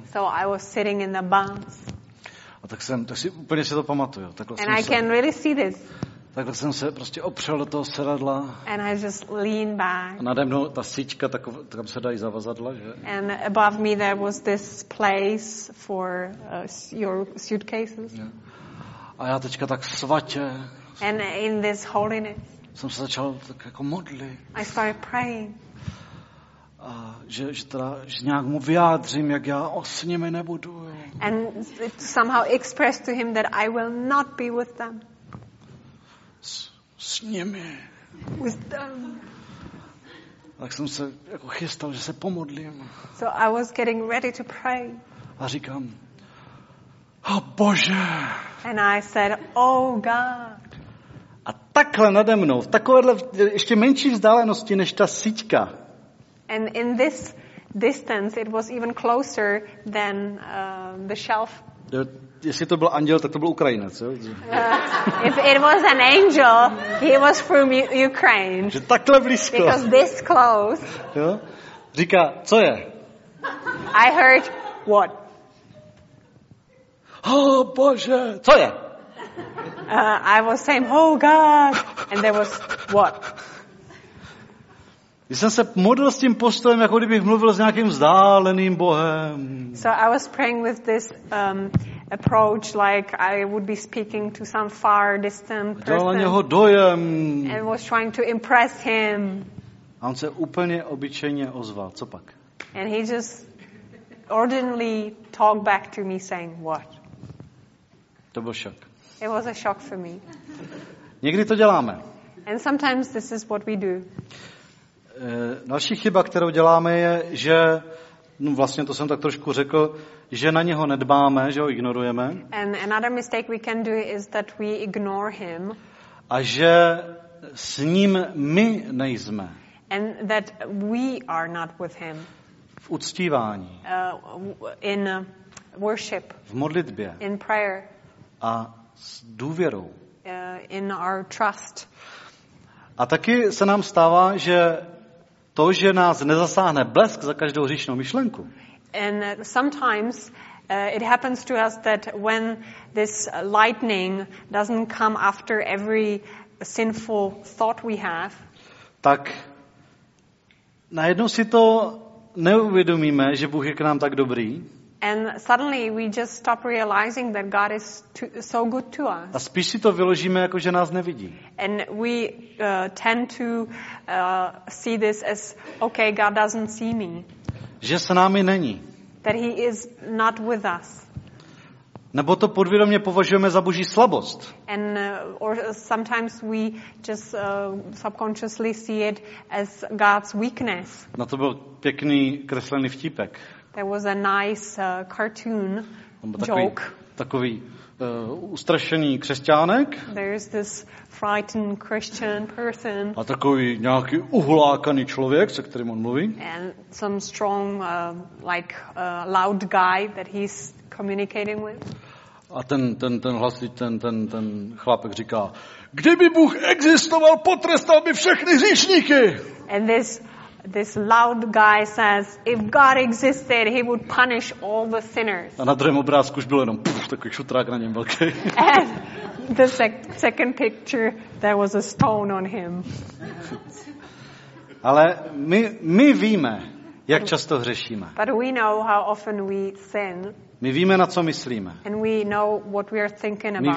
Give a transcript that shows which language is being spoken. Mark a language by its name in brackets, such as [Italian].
[English] So I was sitting in the bus. [Czech] A tak jsem, tak si úplně si to pamatuju. Takhle [English] and I can really see this. [Czech] Takhle jsem se prostě opřel do toho sedadla. [English] And I just leaned back. [Czech] A nade mnou ta síčka, tak tam se dají zavazadla, že? [English] And above me there was this place for your suitcases. [Czech] A já teďka tak svatě. [English] And in this holiness. [Czech] Jsem se začal tak jako modlit. [English] I started praying. [Czech] A že teda, že nějak mu vyjádřím, jak já s nimi nebudu. [English] And somehow express to him that I will not be with them. [Czech] S nimi. [English] With them. [Czech] Tak jsem se jako chystal, že se pomodlím. [English] So I was getting ready to pray. [Czech] A říkám, a Bože. [English] And I said, oh God. [Czech] A takhle nade mnou, v takovéhle ještě menší vzdálenosti než ta síťka. [English] And in this distance, it was even closer than the shelf. [Czech] Jestli to byl anděl, tak to byl Ukrajinec. Jo? [English] If it was an angel, he was from Ukraine. [Czech] Že takhle blízko. [English] Because this close. [Czech] Jo? Říká, co je? [English] I heard what? [Czech] Oh, Bože, co je? [English] I was saying, oh, God. And there was what? [Czech] Já jsem se modlil s tím postojem, jako kdybych mluvil s nějakým vzdáleným Bohem. [English] So I was praying with this approach, like I would be speaking to some far distant person. [Czech] Dělal na něho dojem. [English] And was trying to impress him. [Czech] A on se úplně obyčejně ozval. Co pak? [English] And he just ordinarily talked back to me saying, what? [Czech] To byl šok. [English] It was a shock for me. [Czech] Někdy to děláme. [English] And sometimes this is what we do. [Czech] Další chyba, kterou děláme, je, že, no vlastně to jsem tak trošku řekl, že na něho nedbáme, že ho ignorujeme. [English] And another mistake we can do is that we ignore him. [Czech] A že s ním my nejsme. [English] And that we are not with him. [Czech] V uctívání. [English] In worship. [Czech] V modlitbě. [English] In prayer. [Czech] A s důvěrou. [English] In our trust. [Czech] A taky se nám stává, že to, že nás nezasáhne blesk za každou hříšnou myšlenku. [English] And sometimes it happens to us that when this lightning doesn't come after every sinful thought we have, [Czech] tak najednou si to neuvědomíme, že Bůh je k nám tak dobrý. [English] And suddenly we just stop realizing that God is so good to us. [Czech] A spíš si to vyložíme jako že nás nevidí. [English] And we tend to see this as okay, God doesn't see me. [Czech] Že s námi není. [English] That he is not with us. [Czech] Nebo to podvědomě považujeme za Boží slabost. [English] And or sometimes we just subconsciously see it as God's weakness. [Czech] No to byl pěkný kreslený vtípek. [English] There was a nice cartoon joke. [Czech] Takový ustrašený křesťánek. [English] There's this frightened Christian person. [Czech] A takový nějaký uhlákaný člověk, se kterým on mluví. [English] And some strong loud guy that he's communicating with. [Czech] A ten chlápek říká: "Kdyby Bůh existoval, potrestal by všechny hříšníky." [English] And this loud guy says, if God existed, he would punish all the sinners. [Czech] A na druhém obrázku už bylo jenom puf, takový šutrák na něm velký. [English] And the second picture, there was a stone on him. [Czech] Ale my víme, jak často hřešíme. [English] But we know how often we sin. [Czech] My víme, na co myslíme. [English] And we know what we are thinking about.